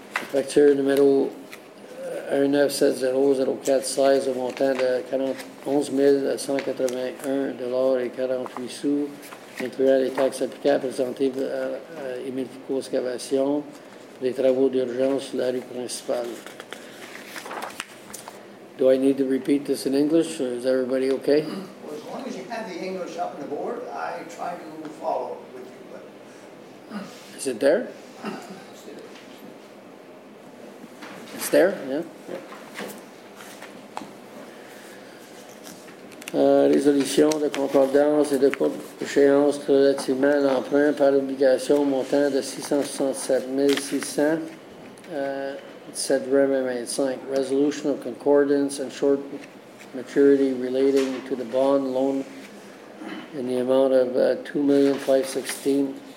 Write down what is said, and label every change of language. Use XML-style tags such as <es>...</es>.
<fr>Facture numéro 1970-04-16 au montant de 11 181,48 incluant les taxes applicables présentées à Émile Foucault Excavation pour les travaux d'urgence sur la rue principale.</fr> <en>Do I need to repeat this in English, or is everybody okay? Well, as long as you have the English up on the board, I try to follow with you. But is it there? It's there, yeah?</en> <fr>Résolution de concordance et de échéance relativement à l'emprunt par obligation au montant de 667,600,17,25.</fr> <en>Resolution of concordance and short maturity relating to the bond loan in the amount of 2,516.</en>